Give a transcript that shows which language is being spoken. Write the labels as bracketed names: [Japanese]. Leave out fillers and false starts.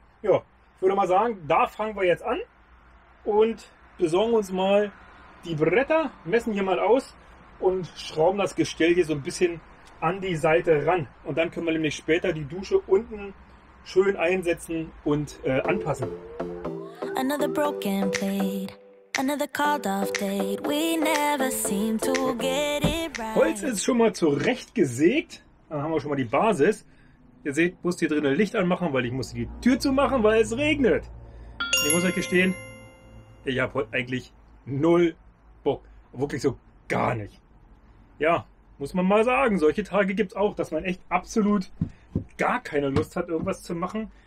[German] Ja, ich würde mal sagen, da fangen wir jetzt an und besorgen uns mal die Bretter, messen hier mal aus und schrauben das Gestell hier so ein bisschen an die Seite ran. Und dann können wir nämlich später die Dusche unten schön einsetzen und anpassen. [English] Another broken plate, another called off date. We never seem to get it. [German] Holz ist schon mal zurecht gesägt. Dann haben wir schon mal die Basis. Ihr seht, ich muss hier drinnen Licht anmachen, weil ich muss die Tür zumachen, weil es regnet. Ich muss euch gestehen, ich habe heute eigentlich null Bock. Wirklich so gar nicht. Ja, muss man mal sagen, solche Tage gibt es auch, dass man echt absolut gar keine Lust hat, irgendwas zu machen.